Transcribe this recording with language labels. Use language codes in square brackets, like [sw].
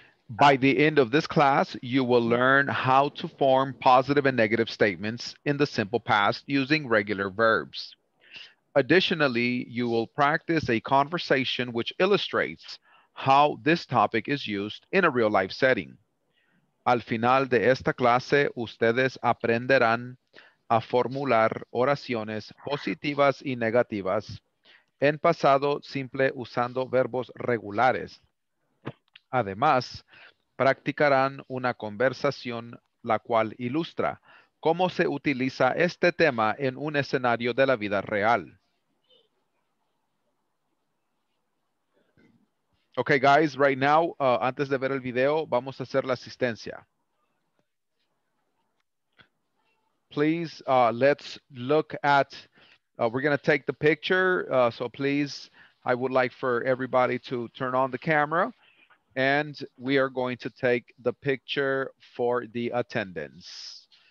[en] By the end of this class, you will learn how to form positive and negative statements in the simple past using regular verbs. Additionally, you will practice a conversation which illustrates how this topic is used in a real life setting. [es] Al final de esta clase, ustedes aprenderán a formular oraciones positivas y negativas en pasado simple usando verbos regulares. Además, practicarán una conversación la cual ilustra cómo se utiliza este tema en un escenario de la vida real. [en] Okay, guys, right now, [es] antes de ver el video, vamos a hacer la asistencia. [en] Please, let's look at, we're going to take the picture. So please, I would like for everybody to turn on the camera. And we are going to take the picture for the attendance.